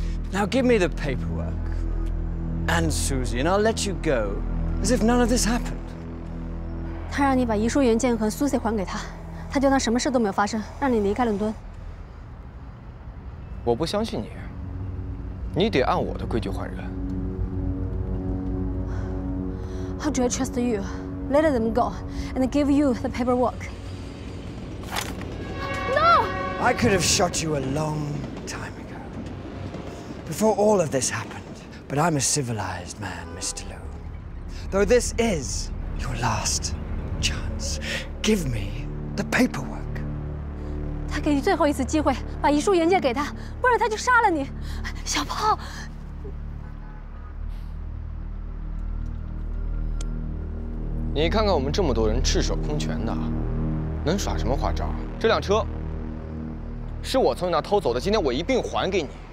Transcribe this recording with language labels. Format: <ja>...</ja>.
<en>Now give me the paperwork, and Susie, and I'll let you go, as if none of this happened.</en> <zh>他让你把遗书原件和 Susie 还给他，他就当什么事都没有发生，让你离开伦敦。我不相信你，你得按我的规矩还人。</zh> <en>How do I trust you? Let them go, and give you the paperwork. No! I could have shot you a long time ago, before all of this happened. But I'm a civilized man, Mr. Liu. Though this is your last chance, give me the paperwork.</en> <zh>他给你最后一次机会，把遗书原件给他，不然他就杀了你，小炮。你看看我们这么多人赤手空拳的，能耍什么花招？这辆车是我从你那偷走的，今天我一并还给你。</zh>